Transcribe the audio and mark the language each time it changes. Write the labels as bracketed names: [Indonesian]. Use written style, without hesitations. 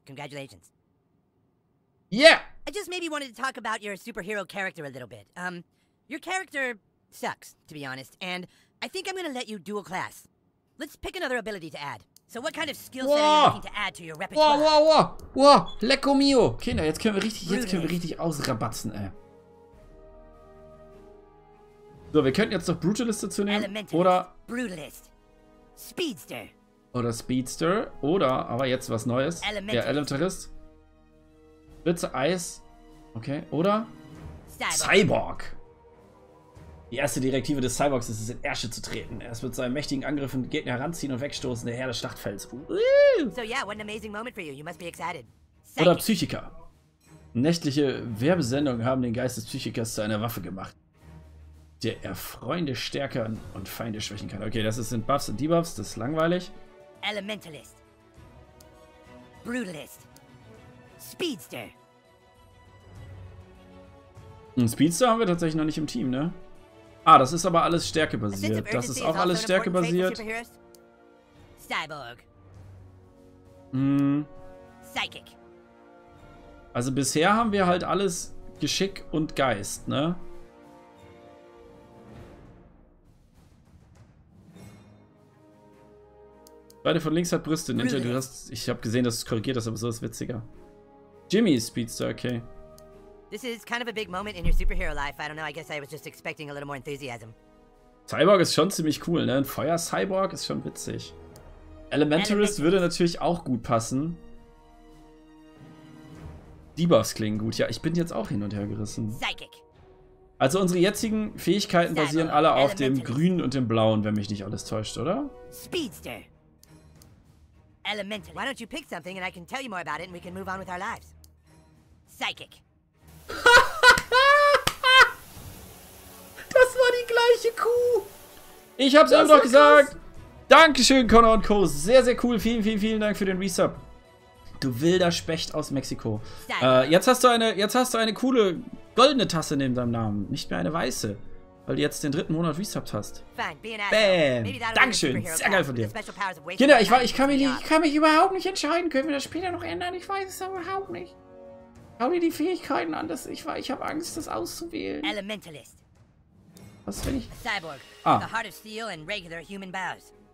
[English] Congratulations. Yeah! I just maybe wanted to talk about your superhero character a little bit. Your character sucks, to be honest, and I think I'm gonna let you dual class. Let's pick another ability to add. So what kind of skill set are you looking to add to your repertoire? Wow, wow, wow! Wow, [German] lecko mio! Kinder, jetzt können wir richtig, jetzt können wir richtig ausrabatzen, ey. So, wir könnten jetzt noch Brutalist dazu nehmen, oder... Brutalist. Speedster. Oder Speedster, oder, aber jetzt was Neues, der Elementarist. Blitze, Eis, okay, oder Cyborg. Die erste Direktive des Cyborgs ist es, in Ärsche zu treten. Er ist mit seinen mächtigen Angriffen Gegner heranziehen und wegstoßen, der Herr des Schlachtfelds. [English] So, yeah, what an amazing moment for you. You must be excited. [German] Oder Psychiker. Nächtliche Werbesendungen haben den Geist des Psychikers zu einer Waffe gemacht, der er Freunde stärken und Feinde schwächen kann. Okay, das sind Buffs und Debuffs, das ist langweilig. Elementalist. Brutalist. Speedster. Ein Speedster haben wir tatsächlich noch nicht im Team, ne? Ah, das ist aber alles stärkebasiert. Das ist auch alles stärkebasiert. Cyborg. Psychic. Also bisher haben wir halt alles Geschick und Geist, ne? Beide von links hat Brüste, Ninja. Du hast. Ich habe gesehen, dass du es korrigiert hast, aber so ist witziger. Jimmy ist Speedster, okay. [English] This is kind of a big moment in your superhero life. I don't know, I guess I was just expecting a little more enthusiasm. [German] Cyborg ist schon ziemlich cool, ne? Ein Feuer-Cyborg ist schon witzig. Elementarist würde natürlich auch gut passen. Debuffs klingen gut, ja, ich bin jetzt auch hin und her gerissen. Psychic. Also unsere jetzigen Fähigkeiten basieren alle auf dem Grünen und dem Blauen, wenn mich nicht alles täuscht, oder? Speedster. Elementalist. [English] Why don't you pick something and I can tell you more about it and we can move on with our lives. [German] Psychic. Das war die gleiche Kuh. Ich hab's eben doch gesagt. Dankeschön, Connor und Co. Sehr, sehr cool. Vielen, vielen, vielen Dank für den Resub. Du wilder Specht aus Mexiko. Jetzt hast du eine coole goldene Tasse neben deinem Namen. Nicht mehr eine weiße. Weil du jetzt den dritten Monat resubbed hast. Bäm. Dankeschön. Sehr geil von dir. Genau, ich kann mich überhaupt nicht entscheiden. Können wir das später noch ändern? Ich weiß es überhaupt nicht. Schau dir die Fähigkeiten an, dass ich habe Angst, das auszuwählen. Elementalist. Was will ich? Cyborg. Ah. [English] The heart of steel and regular human bowels.